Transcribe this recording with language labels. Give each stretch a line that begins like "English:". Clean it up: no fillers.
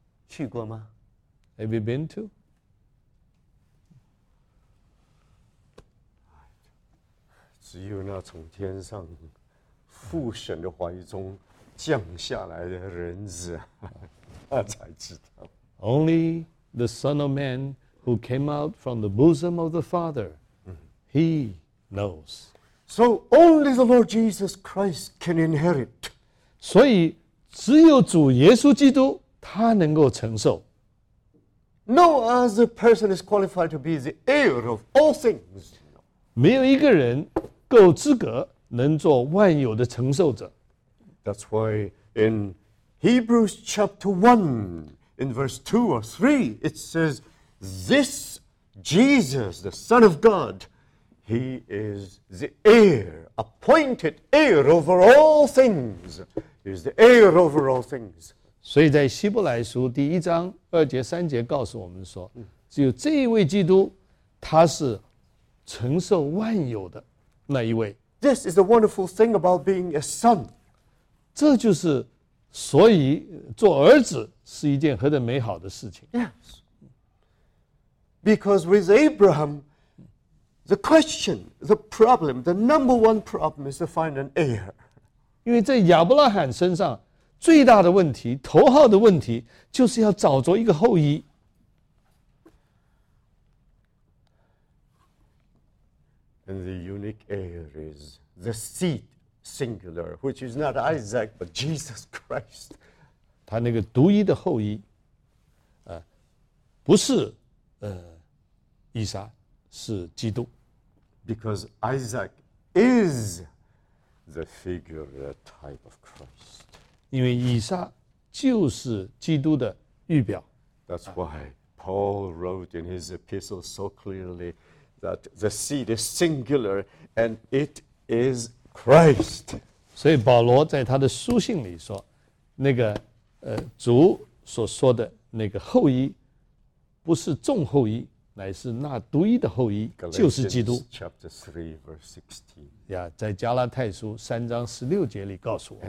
Chinese: 去过吗？
English: Have you been to?
Chinese: 只有那从天上父神的怀中降下来的人子，他才知道。
English: Only the Son of Man who came out from the bosom of the Father, He knows. So only the Lord Jesus Christ can inherit.
Chinese: 所以只有主耶稣基督他能够承受。
English: No other person is qualified to be the heir of all things.
Chinese: 没有一个人够资格能做万有的承受者。
English: That's why in Hebrews chapter 1, in verse 2 or 3, it says, This Jesus, the Son of God, He is the heir, appointed heir over all things. He is the heir over all things.
Chinese: 所以在希伯来书第一章二节三节告诉我们说，只有这一位基督，他是承受万有的。那一位
English: This is the wonderful thing about being a son.
Chinese: 这就是所以做儿子是一件何等美好的事情。
English: Yes. Because with Abraham, the question, the problem, the number one problem is to find an heir.
Chinese: 因为在亚伯拉罕身上最大的问题，头号的问题就是要找着一个后裔。
English: And the unique heir is the seed, singular, which is not Isaac, but Jesus Christ.
Chinese: 他那个独一的后裔，不是以撒是基督。
English: Because Isaac is the figure, the type of Christ.
Chinese: 因为以撒就是基督的预表。
English: That's why Paul wrote in his epistle so clearly that the seed is singular and it is Christ.
Chinese: 所以保罗在他的书信里说，那个主所说的那个后裔，不是众后裔，乃是那独一的后裔，就是基督。
English: Chapter 3, verse 16.
Chinese: 呀，在加拉太书三章十六节里告诉我。